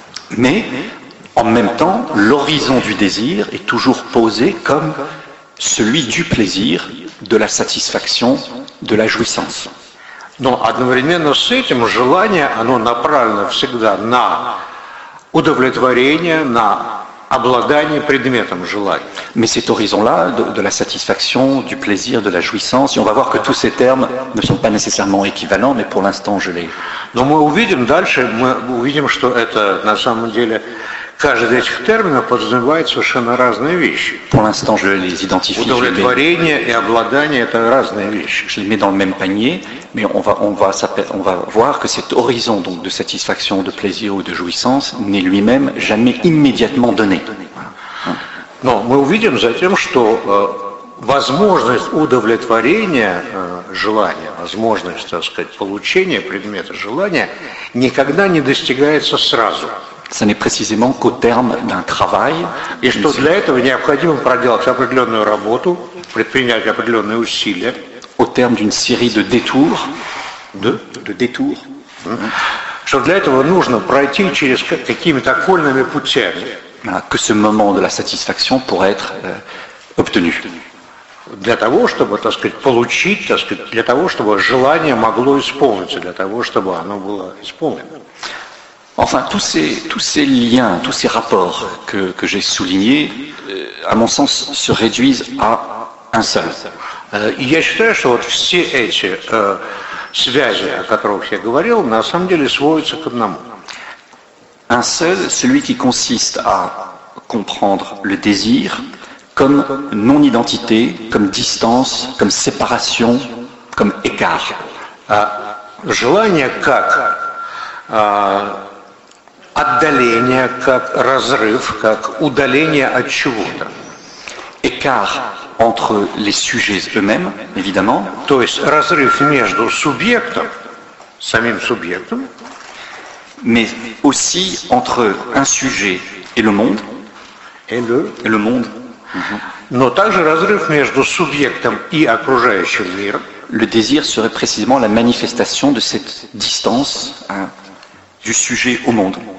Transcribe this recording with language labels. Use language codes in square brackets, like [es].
[fr] Mais, en même temps, l'horizon du désir est toujours posé comme celui du plaisir, de la satisfaction, de la jouissance. [ru] Но одновременно с этим желание, оно направлено всегда на удовлетворение, на обладание предметом желания. [fr] Mais cet horizon-là, de la satisfaction, du plaisir, de la jouissance, et on va voir que tous ces termes ne sont pas nécessairement équivalents, mais pour l'instant, je l'ai. [ru] Но мы увидим дальше, мы увидим, что это на самом деле... Каждый из этих терминов подразумевает совершенно разные вещи. [fr] Pour l'instant, je les identifie. [ru] Удовлетворение и обладание — это разные вещи. [fr] Je les mets dans le même panier, mais on va voir que cet horizon donc de satisfaction, de plaisir ou de jouissance n'est lui-même jamais immédiatement donné. [ru] Non, мы увидим затем, что возможность удовлетворения желания, возможность, так сказать, получения предмета желания никогда не достигается сразу. [fr] Ce n'est précisément qu'au terme d'un travail. [ru] Et что для этого необходимо проделать определенную работу, предпринять определенные усилия. [fr] Au terme d'une série de détours. De détours. [ru] Что для этого нужно пройти через какими-то окольными путями. [fr] Que ce moment de la satisfaction pourrait être obtenu. [ru] Для того, чтобы, так сказать, получить, так сказать, для того, чтобы желание могло исполниться, для того, чтобы оно было исполнено. [fr] Enfin, tous ces liens, tous ces rapports que j'ai soulignés, à mon sens, se réduisent à un seul. [ru] Я считаю, что вот все эти связи, о которых я говорил, на самом деле сводятся к одному. [fr] Un seul, celui qui consiste à comprendre le désir comme non-identité, comme distance, comme séparation, comme écart. [ru] Желание как отдаление, как разрыв, как удаление от чего-то. [fr] Écart entre les sujets eux-mêmes, évidemment. [ru] То есть разрыв между субъектом, самим субъектом. [fr] Mais aussi entre un sujet et le monde. Et le monde. [ru] Но также разрыв между субъектом и окружающим миром. [fr] Le désir serait précisément la manifestation de cette distance hein, du sujet au monde.